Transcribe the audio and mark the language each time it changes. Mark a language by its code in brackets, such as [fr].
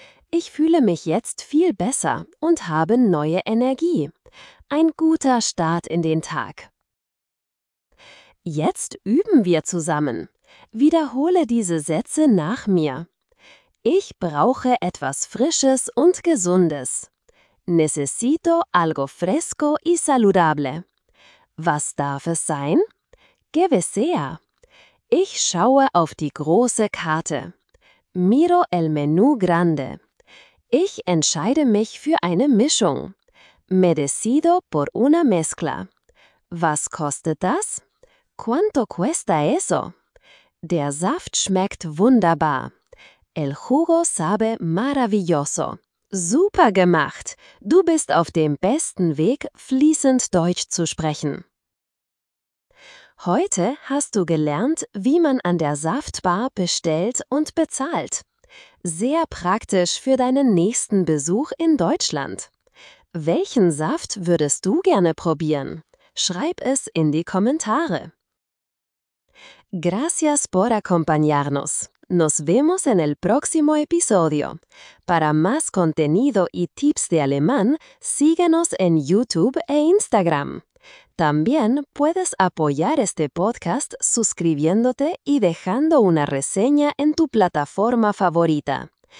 [de] Ich fühle mich jetzt viel besser und habe neue Energie. Ein guter Start in den Tag. Jetzt üben wir zusammen. Wiederhole diese Sätze nach mir. Ich brauche etwas Frisches und Gesundes. [es] Necesito algo fresco y saludable. [de] Was darf es sein? [es] Que desea. [de] Ich schaue auf die große Karte. [es] Miro el menú grande. [de] Ich entscheide mich für eine Mischung. [es] Me decido por una mezcla. [de] Was kostet das? [es] ¿Cuánto cuesta eso? [de] Der Saft schmeckt wunderbar. [es] El jugo sabe maravilloso. [de] Super gemacht! Du bist auf dem besten Weg, fließend Deutsch zu sprechen. Heute hast du gelernt, wie man an der Saftbar bestellt und bezahlt. Sehr praktisch für deinen nächsten Besuch in Deutschland. Welchen Saft würdest du gerne probieren? Schreib es in die Kommentare. [es] Gracias por acompañarnos. Nos vemos en el próximo episodio. Para más contenido y tips de alemán, síguenos en YouTube e Instagram. También puedes apoyar este podcast suscribiéndote y dejando una reseña en tu plataforma favorita.